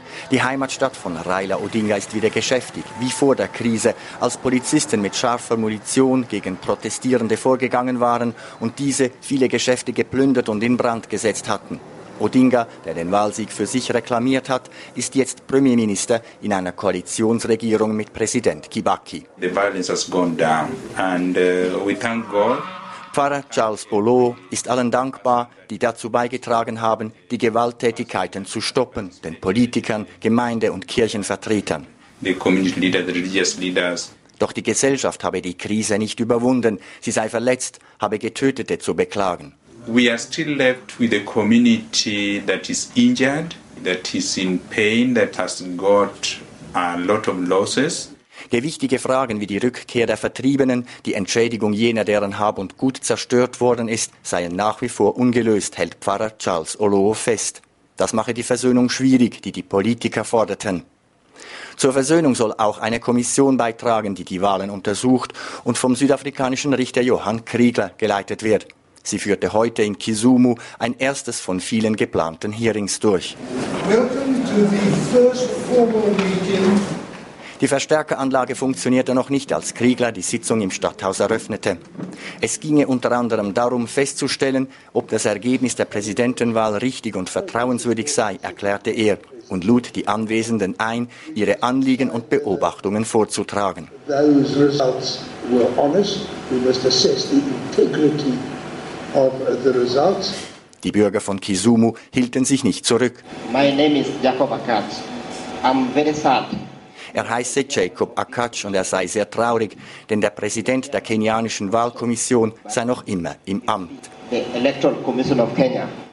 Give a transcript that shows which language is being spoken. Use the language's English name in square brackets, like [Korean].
[German] Die Heimatstadt von Raila Odinga ist wieder geschäftig, wie vor der Krise, als Polizisten mit scharfer Munition gegen Protestierende vorgegangen waren und diese viele Geschäfte geplündert und in Brand gesetzt hatten. Odinga, der den Wahlsieg für sich reklamiert hat, ist jetzt Premierminister in einer Koalitionsregierung mit Präsident Kibaki. [English] The violence has gone down and we thank God. [German] Pfarrer Charles Bolo ist allen dankbar, die dazu beigetragen haben, die Gewalttätigkeiten zu stoppen, den Politikern, Gemeinde- und Kirchenvertretern. [English] The community leaders, the religious leaders. [German] Doch die Gesellschaft habe die Krise nicht überwunden. Sie sei verletzt, habe Getötete zu beklagen. [English] We are still left with a community that is injured, that is in pain, that has got a lot of losses. [German] Gewichtige Fragen wie die Rückkehr der Vertriebenen, die Entschädigung jener, deren Hab und Gut zerstört worden ist, seien nach wie vor ungelöst, hält Pfarrer Charles Oloo fest. Das mache die Versöhnung schwierig, die die Politiker forderten. Zur Versöhnung soll auch eine Kommission beitragen, die die Wahlen untersucht und vom südafrikanischen Richter Johann Kriegler geleitet wird. Sie führte heute in Kisumu ein erstes von vielen geplanten Hearings durch. [English] Welcome to the first formal meeting. [German] Die Verstärkeranlage funktionierte noch nicht, als Kriegler die Sitzung im Stadthaus eröffnete. Es ginge unter anderem darum, festzustellen, ob das Ergebnis der Präsidentenwahl richtig und vertrauenswürdig sei, erklärte er und lud die Anwesenden ein, ihre Anliegen und Beobachtungen vorzutragen. [English] Those results were honest. We must assess the integrity of the results. [German] Die Bürger von Kisumu hielten sich nicht zurück. [English] My name is Jacob Akat. I'm very sad. [German] Er heiße Jacob Akach und er sei sehr traurig, denn der Präsident der kenianischen Wahlkommission sei noch immer im Amt. [English] The Electoral Commission of Kenya.